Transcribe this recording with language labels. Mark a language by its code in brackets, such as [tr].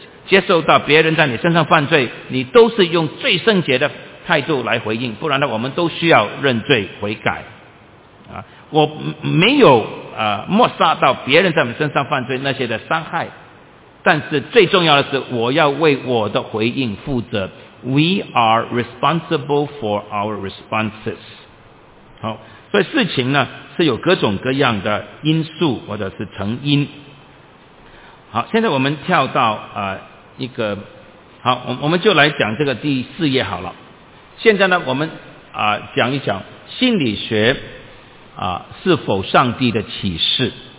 [zh] 接受到别人在你身上犯罪，你都是用最圣洁的态度来回应，不然呢我们都需要认罪悔改。我没有抹杀到别人在我们身上犯罪那些的伤害，但是最重要的是我要为我的回应负责。 [en] We are responsible for our responses。 [zh] 好，所以事情呢是有各种各样的因素或者是成因。好，现在我们跳到一个，好，我们就来讲这个第四页好了。现在呢我们讲一讲心理学是否上帝的启示。